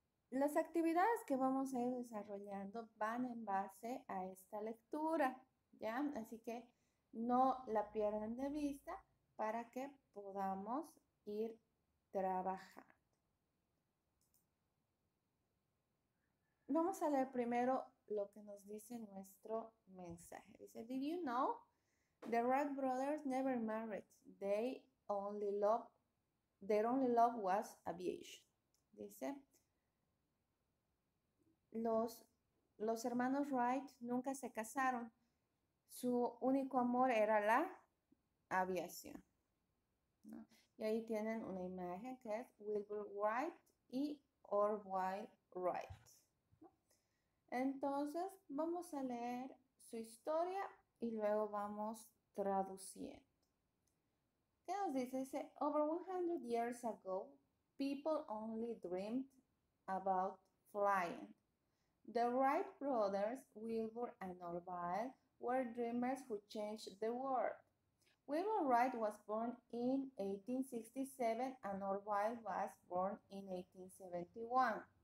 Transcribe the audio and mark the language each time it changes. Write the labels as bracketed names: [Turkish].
[Spanish] Las actividades que vamos a ir desarrollando van en base a esta lectura, ¿ya? Así que no la pierdan de vista para que podamos ir trabajando. Vamos a leer primero lo que nos dice nuestro mensaje. [English] Dice, "Did you know the Wright brothers never married? Their only love was aviation." [Spanish] Dice, los hermanos Wright nunca se casaron. Su único amor era la aviación, ¿no? Y ahí tienen una imagen que es Wilbur Wright y Orville Wright. Entonces, vamos a leer su historia y luego vamos traduciendo. ¿Qué nos dice? [English] Dice, "Over 100 years ago, people only dreamed about flying. The Wright brothers, Wilbur and Orville, were dreamers who changed the world. Wilbur Wright was born in 1867 and Orville was born in 1871.